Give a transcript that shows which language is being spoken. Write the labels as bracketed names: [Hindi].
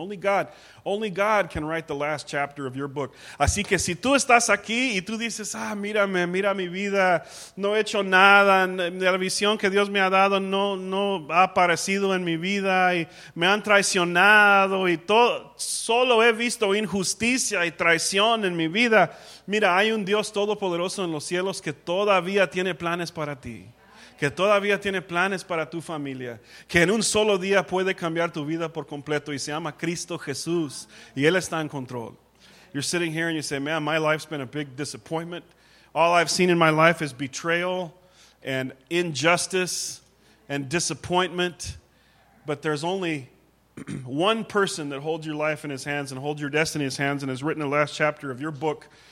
[English] Only God can write the last chapter of your book. [Spanish] Así que si tú estás aquí y tú dices, mírame, mira mi vida, no he hecho nada, la visión que Dios me ha dado no ha aparecido en mi vida, y me han traicionado, y todo, solo he visto injusticia y traición en mi vida. Mira, hay un Dios todopoderoso en los cielos que todavía tiene planes para ti. Que todavía tiene planes para tu familia. Que en un solo día puede cambiar tu vida por completo. Y se llama Cristo Jesús. Y Él está en control. [English] You're sitting here and you say, man, my life's been a big disappointment. All I've seen in my life is betrayal and injustice and disappointment. But there's only one person that holds your life in His hands and holds your destiny in His hands and has written the last chapter of your book.